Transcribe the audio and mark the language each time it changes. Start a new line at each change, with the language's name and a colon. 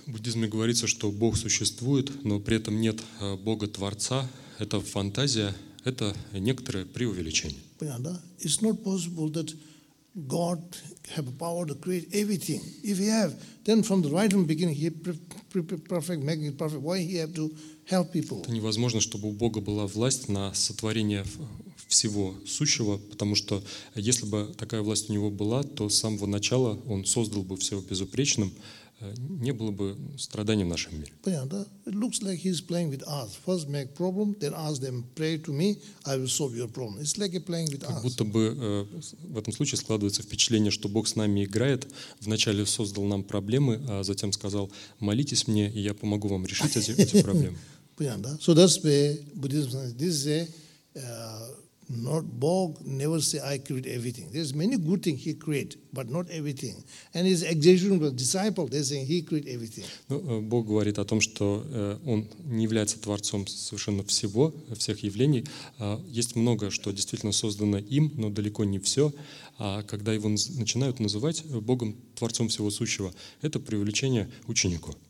Russian: В буддизме говорится, что Бог существует, но при этом нет Бога Творца. Это фантазия, это некоторое преувеличение. Yeah, да?
English: It's not possible that God have power to create everything. If he have, then from the right from the beginning he perfect, making it perfect. Why he have to help people?
Russian: Это невозможно, чтобы у Бога была власть на сотворение всего сущего, потому что если бы такая власть у него была, то с самого начала он создал бы все безупречным, не было бы страданий в нашем мире. Понятно, да?
English: It looks like he's playing with us. First make problem, then ask them, pray to me, I will solve your problem. It's like playing with us.
Russian: Как будто бы в этом случае складывается впечатление, что Бог с нами играет. Вначале создал нам проблемы, а затем сказал, молитесь мне, и я помогу вам решить эти проблемы. Понятно, да?
English: So that's where Buddhism says, this is a, not Bog never say I create everything. There's many good things he create, but not everything. And his exaggeration with disciple, they're saying he create everything.
Russian: Ну, Бог говорит о том, что он не является творцом совершенно всего, всех явлений. Есть многое, что действительно создано им, но далеко не все. А когда его начинают называть Богом, творцом всего сущего, это преувеличение ученику.